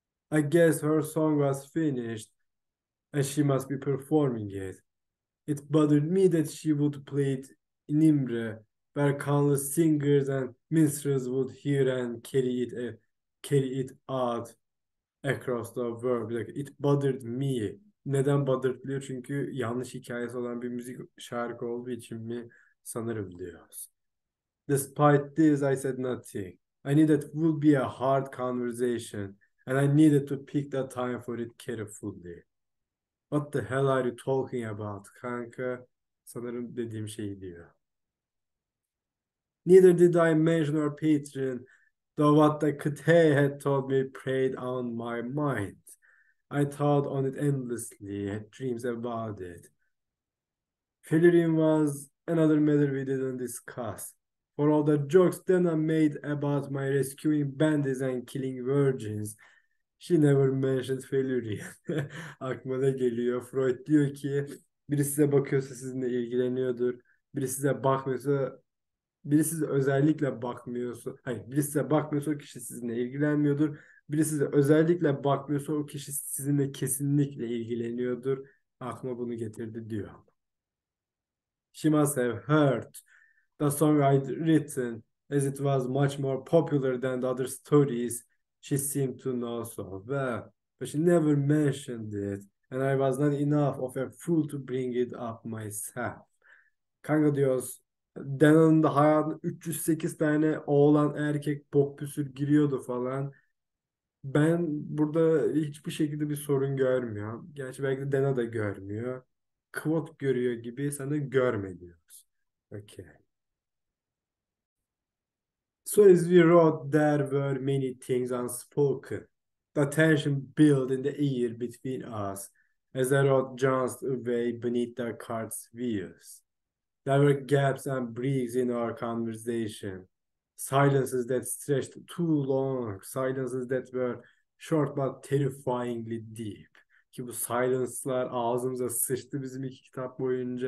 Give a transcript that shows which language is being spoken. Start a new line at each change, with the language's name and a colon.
English: I guess her song was finished, and she must be performing it. It bothered me that she would play it in Imre, where countless singers and minstrels would hear and carry it out across the world. Like, it bothered me.
Turkish: Neden bothered diyor? Çünkü yanlış hikayesi olan bir müzik şarkı olduğu için mi sanırım diyoruz.
English: Despite this, I said nothing. I knew that would be a hard conversation, and I needed to pick the time for it carefully. What the hell are you talking about, kanka?
Turkish: Sanırım dediğim şeyi diyor.
English: Neither did I mention our patron, though what the Cathay had told me preyed on my mind. I thought on it endlessly, had dreams about it. Felerin was another matter we didn't discuss. For all the jokes Dana made about my rescuing bandits and killing virgins, she never mentioned failure.
Turkish: Aklıma da geliyor. Freud diyor ki biri size bakıyorsa sizinle ilgileniyordur. Biri size bakmıyorsa, biri size özellikle bakmıyorsa, hayır, biri size bakmıyorsa o kişi sizinle ilgilenmiyordur. Biri size özellikle bakmıyorsa o kişi sizinle kesinlikle ilgileniyordur. Aklıma bunu getirdi diyor.
English: She must have heard the song I'd written as it was much more popular than the other stories. She seemed to know so well, but she never mentioned it, and I was not enough of a fool to bring it up myself.
Turkish: Kanka diyoruz, Dana'nın da hayatına 308 tane oğlan erkek bok püsür giriyordu falan. Ben burada hiçbir şekilde bir sorun görmüyorum. Gerçi belki de Dana da görmüyor. Kvot görüyor gibi sana görme diyoruz. Okay.
English: So as we wrote, there were many things unspoken. The tension built in the air between us as I wrote just away beneath the cart's wheels. There were gaps and breaks in our conversation. Silences that stretched too long. Silences that were Short but terrifyingly deep.
Turkish: Ki bu silence'lar ağzımıza sıçtı bizim iki kitap boyunca.